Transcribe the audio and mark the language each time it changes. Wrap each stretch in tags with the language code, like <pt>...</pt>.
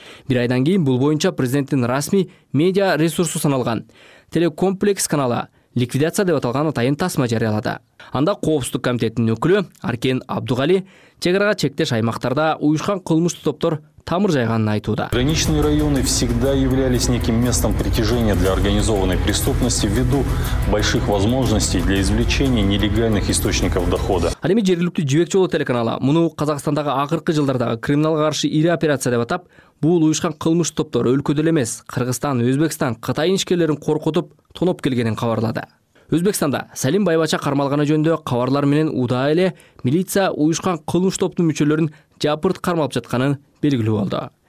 <ky>Бир айдан кийин бул боюнча президенттин расмий медиа ресурсу саналган Телекомплекс каналы ликвидация деп аталган атайын тасма жарыялады. Анда коопсуздук комитетинин өкүлү Аркен Абдугали чек арага чектеш аймактарда уюшкан кылмыштуу топтор тамыр жайганын айтууда.</ky> <ru>Граничные районы всегда являлись неким местом притяжения для организованной преступности ввиду больших возможностей для извлечения нелегальных источников дохода.</ru> <ky>Ал эми жергиликтүү Жибек жолу телеканалы муну Казакстандагы акыркы жылдардагы криминалга каршы ири операция деп атап, бул уюшкан кылмыш топтор өлкөдө эле эмес, Кыргызстан, Өзбекстан, Кытай ишкерлерин коркутуп, тоноп келгенин кабарлады. Өзбекстанда Салим Байбача кармалганы жөнүндө кабарлар менен удаа эле милиция уюшкан кылмыш топтун мүчөлөрүн жапырт кармалып жатканын белгилүү болду.</ky>